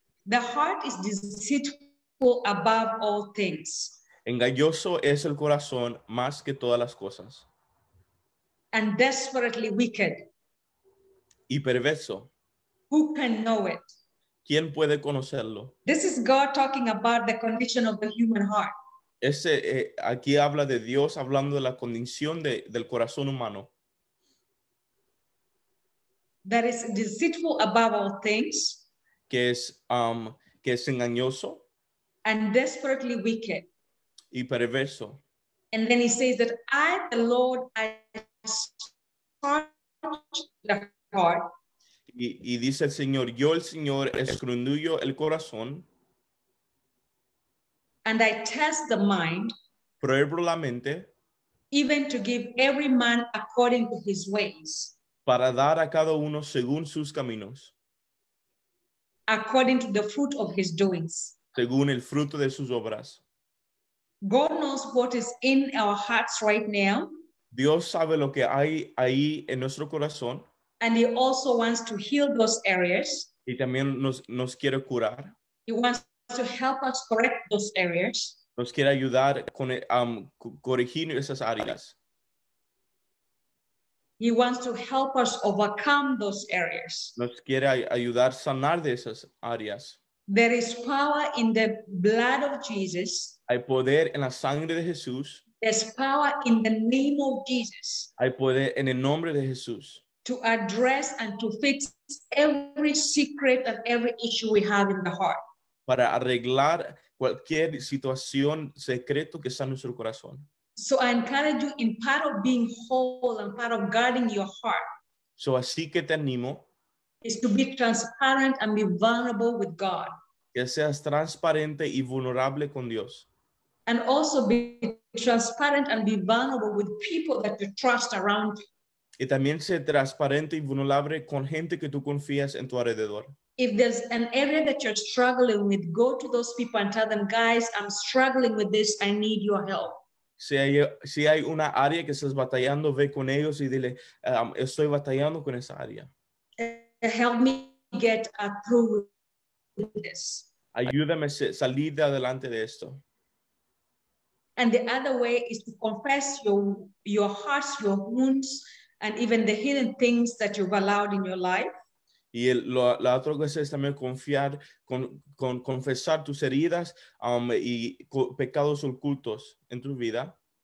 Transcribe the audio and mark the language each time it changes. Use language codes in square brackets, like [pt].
[en] the heart is deceitful above all things. [es] Engañoso es el corazón más que todas las cosas. [en] And desperately wicked. [es] Y perverso. [en] Who can know it? [es] ¿Quién puede conocerlo? [en] This is God talking about the condition of the human heart. [es] Ese, aquí habla de Dios hablando de la condición de, del corazón humano. [en] That is deceitful above all things. [es] Que es engañoso. [en] And desperately wicked. [es] Y perverso. [en] And then he says that I, the Lord, I search the heart. [es] Y dice el Señor, yo el Señor escrudillo el corazón. [en] And I test the mind. [es] Pruebo la mente. [en] Even to give every man according to his ways. [es] Para dar a cada uno según sus caminos. [en] According to the fruit of his doings. [es] Según el fruto de sus obras. [en] God knows what is in our hearts right now. [es] Dios sabe lo que hay ahí en nuestro corazón. [en] And he also wants to heal those areas. [es] Y también nos quiere curar. [en] He wants to help us correct those areas. [es] Nos quiere ayudar con corregir esas áreas. [en] He wants to help us overcome those areas. [es] Nos quiere ayudar sanar de esas áreas. [en] There is power in the blood of Jesus. [es] Hay poder en la sangre de Jesús. [en] There's power in the name of Jesus. [es] Hay poder en el nombre de Jesús. [en] To address and to fix every secret and every issue we have in the heart. [es] Para arreglar cualquier situación secreto que está en nuestro corazón. [en] So I encourage you in part of being whole and part of guarding your heart. [es] So así que te animo. [en] Is to be transparent and be vulnerable with God. [es] Que seas transparente y vulnerable con Dios. [en] And also be transparent and be vulnerable with people that you trust around you. [es] Y también ser transparente y vulnerable con gente que tú confías en tu alrededor. [en] If there's an area that you're struggling with, go to those people and tell them, guys, I'm struggling with this, I need your help. [es] Si hay una área que estás batallando, ve con ellos y dile, estoy batallando con esa área. [en] Help me get through this. [es] Ayúdame a salir de adelante de esto. [en] And the other way is to confess your hearts, your wounds, and even the hidden things that you've allowed in your life. [es] Y la otra cosa es también confiar, confesar tus heridas y pecados ocultos en tu vida.